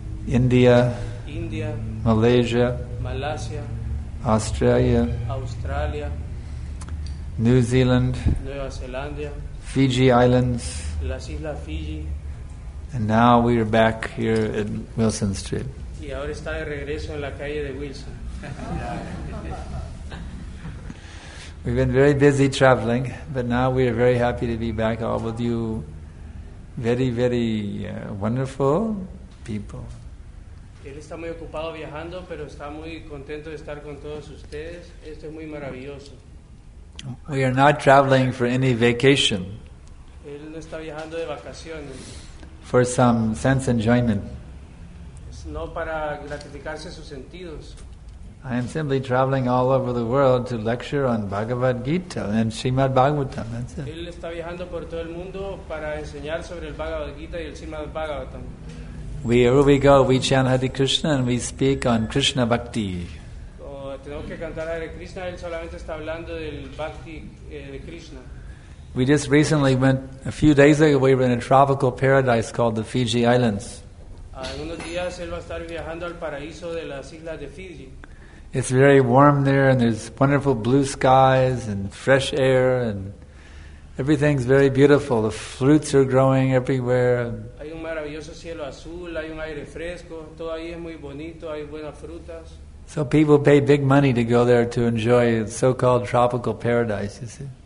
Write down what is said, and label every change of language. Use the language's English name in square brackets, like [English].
[English] India, Malaysia, Australia, New Zealand, [Spanish] Nueva Zelanda, Fiji Islands, las Islas Fiji, [English] and now we are back here at Wilson Street. [Spanish] Y ahora está de regreso en la calle de Wilson. [English] We've been very busy traveling, but now we are very happy to be back all with you, very, very wonderful people. [Spanish] Él está muy ocupado viajando, pero está muy contento de estar con todos ustedes. Esto es muy maravilloso. [English] We are not traveling for any vacation. [Spanish] Él no está viajando de vacaciones. [English] For some sense enjoyment. [Spanish] No para gratificarse sus sentidos. [English] I am simply traveling all over the world to lecture on Bhagavad Gita and Srimad Bhagavatam. That's it. [Spanish] Él está viajando por todo el mundo para enseñar sobre el Bhagavad Gita y el Srimad Bhagavatam. [English] Wherever we go, we chant Hare Krishna and we speak on Krishna Bhakti. [Spanish] Tenemos que cantar Hare Krishna, él solamente está hablando del Bhakti de Krishna. [English] We just recently went, a few days ago, we were in a tropical paradise called the Fiji Islands. [Spanish] Unos días él va a estar viajando al paraíso de las islas de Fiji. [English] It's very warm there, and there's wonderful blue skies and fresh air, and everything's very beautiful. The fruits are growing everywhere. [Spanish] Hay un maravilloso cielo azul, hay un aire fresco, todo ahí es muy bonito, hay buenas frutas. [English] So people pay big money to go there to enjoy so-called tropical paradise, you see.